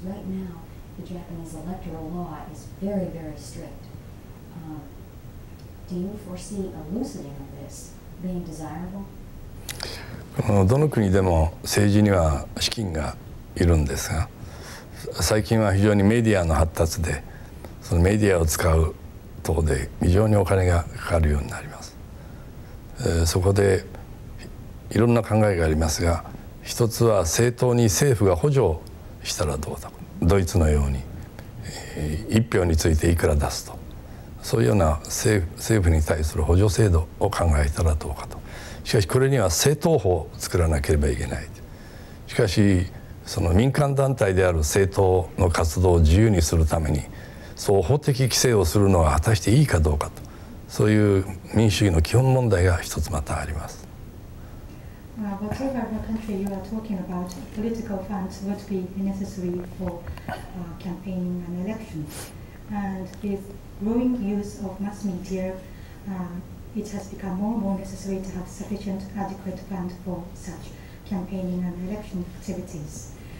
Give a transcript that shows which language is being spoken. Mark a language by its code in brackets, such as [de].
[en] Right now, the Japanese electoral law is very, very strict. Do you foresee a loosening of this being desirable? [ja] どの国でも政治には資金がいるんですが、最近は非常にメディアの発達で、そのメディアを使う等で非常にお金がかかるようになります。そこでいろんな考えがありますが、一つは政党に政府が補助したらどうだ、ドイツのように一票についていくら出すと、そういうような政府に対する補助制度を考えたらどうかと。しかしこれには政党法を作らなければいけない。しかしその民間団体である政党の活動を自由にするために、そう法的規制をするのは果たしていいかどうかと、そういう民主主義の基本問題が一つまたあります。 [en] Whatever the country you are talking about, political funds would be necessary for campaigning and elections. And with growing use of mass media, it has become more and more necessary to have sufficient adequate fund for such campaigning and election activities.